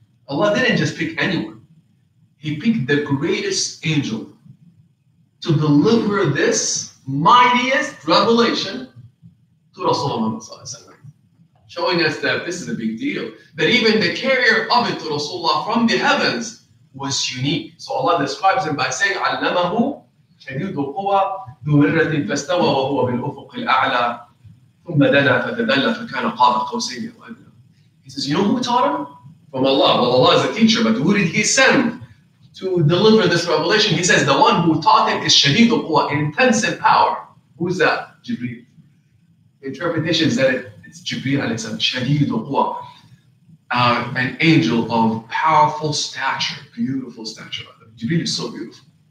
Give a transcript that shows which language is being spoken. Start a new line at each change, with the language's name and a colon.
English: Allah didn't just pick anyone. He picked the greatest angel to deliver this mightiest revelation to Rasulullah, showing us that this is a big deal. That even the carrier of it to Rasulullah from the heavens was unique. So Allah describes him by saying,
Arabic: عَلَّمَهُ شَدِيدُ الْقُوَى ذُو مِرَّةٍ فَاسْتَوَى وَهُوَ بِالْأُفُقِ الْأَعْلَى ثُمَّ دَنَا فَتَدَلَّ فَكَانَ قَابَ قَوْسَيْنِ وَأَدْنَى.
English: He says, you know who taught him? From Allah. Well, Allah is a teacher, but who did he send to deliver this revelation? He says, the one who taught it is
Arabic: شَدِيدُ الْقُوَى,
English: intense in power. Who is that? Jibreel. Interpretation is that it's Jibreel alayhi salam, shadeed uqwa, an angel of powerful stature, beautiful stature. Jibreel is so beautiful.